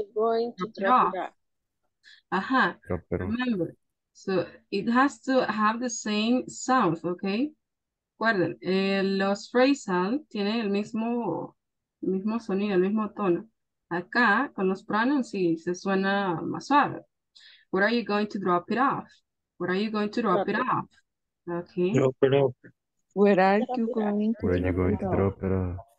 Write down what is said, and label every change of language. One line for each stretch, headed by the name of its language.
English: Where are you going to drop it off? Remember, so it has to have the same sound, okay?
Spanish: Recuerden, los phrasal tienen el mismo sonido, el mismo tono. Acá, con los pronouns, sí, se suena más suave.
English: Where are you going to drop it off? Where are you going to drop it off? Okay. Where are you going to drop it off?